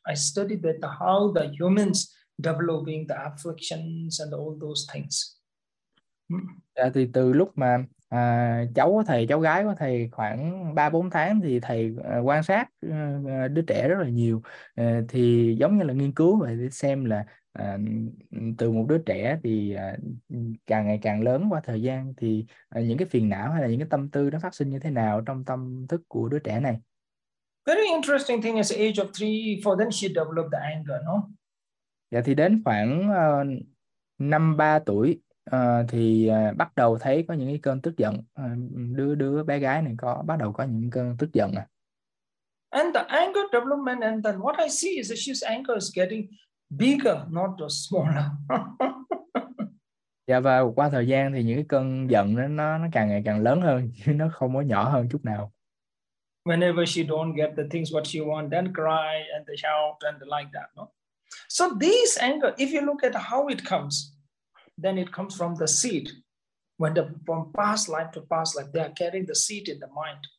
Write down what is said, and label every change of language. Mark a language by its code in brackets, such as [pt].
[en] I studied that how the humans developing the afflictions and all those things. [vi] Dạ, thì từ lúc mà cháu của thầy, cháu gái của thầy khoảng 3-4 tháng thì thầy quan sát đứa trẻ rất là nhiều, thì giống như là nghiên cứu vậy, để xem là từ một đứa trẻ thì càng ngày càng lớn qua thời gian thì những cái phiền não hay là những cái tâm tư nó phát sinh như thế nào trong tâm thức của đứa trẻ này. [en] Very interesting thing is age of 3 4, then she developed the anger, no? [vi] Dạ, thì đến khoảng 5-3 tuổi thì bắt đầu thấy có những cái cơn tức giận, đứa đứa bé gái này có bắt đầu có những cơn tức giận à. [en] And the anger development, and then what I see is that she's anger is getting bigger, not just smaller. [vi] Dạ, và qua thời gian thì những cái cơn giận đó, nó càng ngày càng lớn hơn chứ nó không có nhỏ hơn chút nào. [en] Whenever she don't get the things what she want, then cry and they shout and they like that, no? So this anger, if you look at how it comes, then it comes from the seed. When the from past life to past life, they are carrying the seed in the mind.